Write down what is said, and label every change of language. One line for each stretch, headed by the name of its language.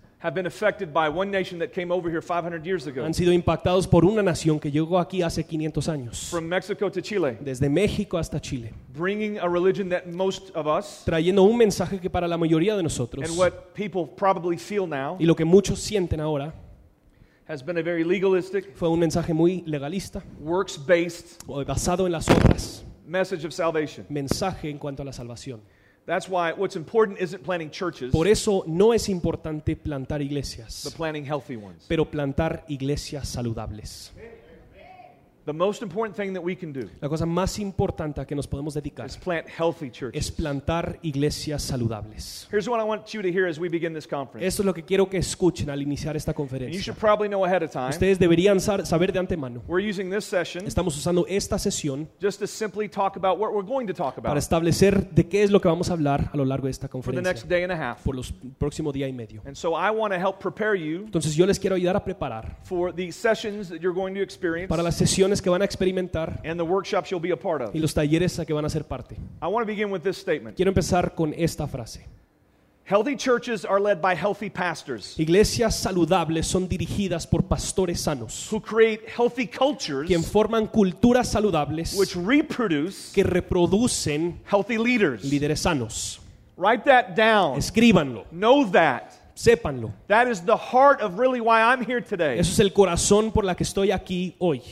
English: have been affected by one nation that came over here 500 years ago.
Spanish: Han sido impactados por una nación que llegó aquí hace 500 años.
English: From Mexico to Chile.
Spanish: Desde México hasta Chile.
English: Bringing a religion that most of us,
Spanish: trayendo un mensaje que para la mayoría de nosotros,
English: and what people probably feel now,
Spanish: y lo que muchos sienten ahora,
English: has been a very legalistic,
Spanish: fue un mensaje muy legalista,
English: works based,
Spanish: basado en las obras,
English: message of salvation,
Spanish: mensaje en cuanto a la salvación.
English: That's why what's important isn't planting churches.
Spanish: Por eso no es importante plantar iglesias.
English: But planting healthy ones.
Spanish: Pero plantar iglesias saludables.
English: The most important thing that we can do.
Spanish: La cosa más importante a que nos podemos dedicar.
English: Is plant healthy churches.
Spanish: Es plantar iglesias saludables.
English: Here's what I want you to hear as we begin this conference.
Spanish: Esto es lo que quiero que escuchen al iniciar esta conferencia.
English: You should probably know ahead of time.
Spanish: Ustedes deberían saber de antemano.
English: We're using this session.
Spanish: Estamos usando esta sesión.
English: Just to simply talk about what we're going to talk about.
Spanish: Para establecer de qué es lo que vamos a hablar a lo largo de esta conferencia.
English: For the next day and a half.
Spanish: Por los próximo día y medio.
English: And so I want to help prepare you.
Spanish: Entonces yo les quiero ayudar a preparar.
English: For the sessions that you're going to experience.
Spanish: Para las sesiones que van a experimentar,
English: and the workshops you'll be a part of.
Spanish: Y los talleres a que van a ser parte.
English: I want to begin with this statement.
Spanish: Quiero empezar con esta frase.
English: Healthy churches are led by healthy pastors.
Spanish: Iglesias saludables son dirigidas por pastores sanos.
English: Who create healthy cultures.
Spanish: Quien forman culturas saludables.
English: Which reproduce.
Spanish: Que reproducen.
English: Healthy leaders.
Spanish: Líderes sanos.
English: Write that down.
Spanish: Escríbanlo.
English: Know that.
Spanish: Sépanlo.
English: That is the heart of really why I'm here today.
Spanish: Eso es el corazón por la que estoy aquí hoy.